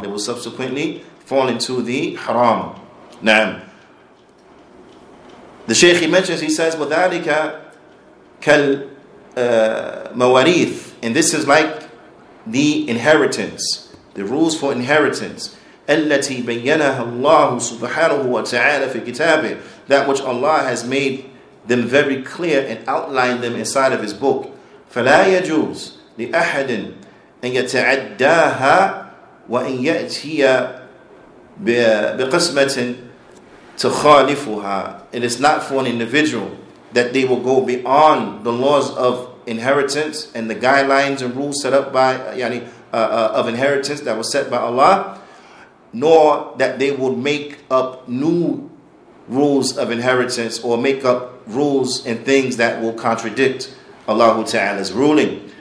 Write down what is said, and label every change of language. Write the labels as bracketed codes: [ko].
[en] They will subsequently fall into the haram. Naam. The Shaykh, he mentions, he says, [ar] وَذَلِكَ كَالْمَوَارِيثِ. [en] And this is like the inheritance, the rules for inheritance. [ar] التي بينها الله سبحانه وتعالى في كتابه. [en] That which Allah has made them very clear and outlined them inside of His book. [ar] فلا يجوز لأحد أن يتعداها وإن يأتي بقسمة تخالفها. [en] It is not for an individual that they will go beyond the laws of inheritance and the guidelines and rules set up by of inheritance that was set by Allah, nor that they would make up new rules of inheritance or make up rules and things that will contradict Allah Ta'ala's ruling.